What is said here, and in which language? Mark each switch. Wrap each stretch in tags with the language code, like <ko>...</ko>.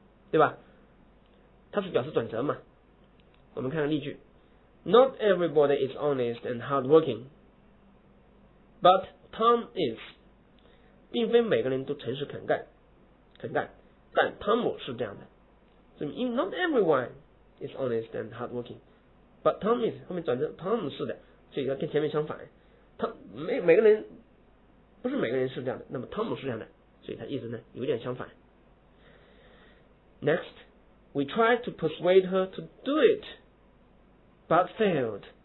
<zh>对吧？它是表示转折嘛？我们看看例句 ：</zh> <en>Not everybody is honest and hardworking, but Tom is.</en> <zh>并非每个人都诚实肯干，但汤姆是这样的。所以</zh> <en>，Not everyone is honest and hardworking, but Tom is.</en> <zh>后面转折 ，Tom 是的，所以要跟前面相反。每个人不是每个人是这样的，那么汤姆是这样的，所以他意思呢有点相反。</zh> <en>Next, we tried to persuade her to do it, but failed.</en>